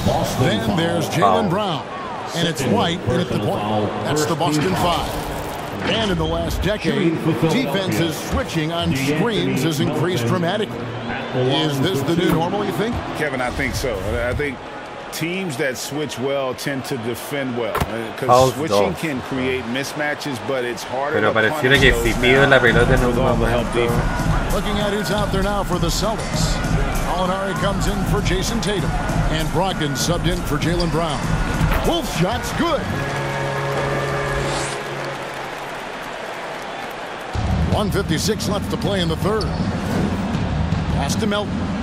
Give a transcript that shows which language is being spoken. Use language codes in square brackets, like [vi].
[en] Boston then foul. There's Jalen Brown. And it's White in at the point. That's the Boston 5. And in the last decade, defense is switching on screens has increased dramatically. Is this the new normal, you think? Kevin, I think so. I think teams that switch well tend to defend well. Because switching can create mismatches, but it's harder to punish those now. [es] Pero pareciera que si pido la pelota en un momento. [en] Looking at who's out there now for the Celtics. Molinari comes in for Jason Tatum. And Brogdon subbed in for Jaylen Brown. Wolf shot's good. 1:56 left to play in the third. Pass to Melton.